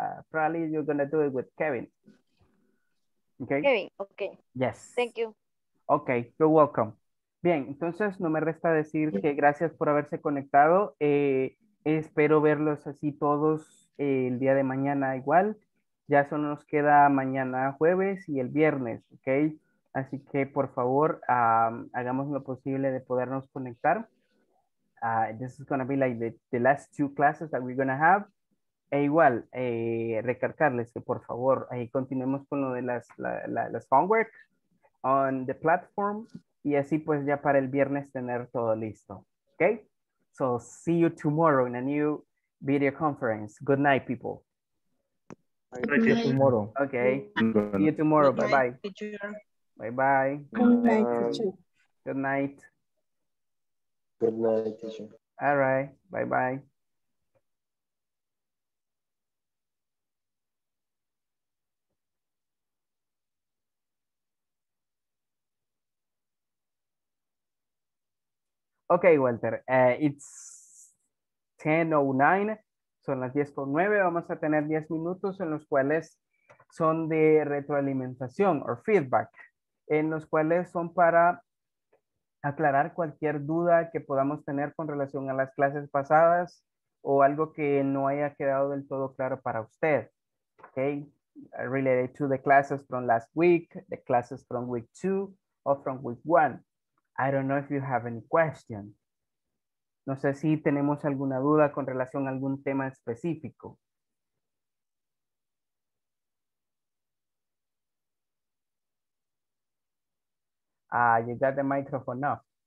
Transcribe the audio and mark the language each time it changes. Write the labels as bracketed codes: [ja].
[en] probably you're going to do it with Kevin. Okay. Kevin, ok. Yes. Thank you. Ok, you're welcome. [es] Bien, entonces no me resta decir que gracias por haberse conectado. Espero verlos así todos el día de mañana igual. Ya solo nos queda mañana jueves y el viernes, ¿ok? Así que, por favor, hagamos lo posible de podernos conectar. [en] This is going to be like the last two classes that we're going to have. [es] E igual, recalcarles que, por favor, continuemos con lo de las [en] homework on the platform. [es] Y así, pues, ya para el viernes tener todo listo, ¿ok? [en] So, see you tomorrow in a new video conference. Good night, people. See you tomorrow. Okay. See you tomorrow. Bye bye. Bye bye. Good night, teacher. Good night. Good night, teacher. All right. Bye bye. Okay, Walter. It's 10:09. [es] Son las 10:09, vamos a tener 10 minutos en los cuales son de retroalimentación o feedback, en los cuales son para aclarar cualquier duda que podamos tener con relación a las clases pasadas o algo que no haya quedado del todo claro para usted. [en] Okay, related to the classes from last week, the classes from week 2 or from week 1. I don't know if you have any questions. [es] No sé si tenemos alguna duda con relación a algún tema específico. [en] You got the microphone now.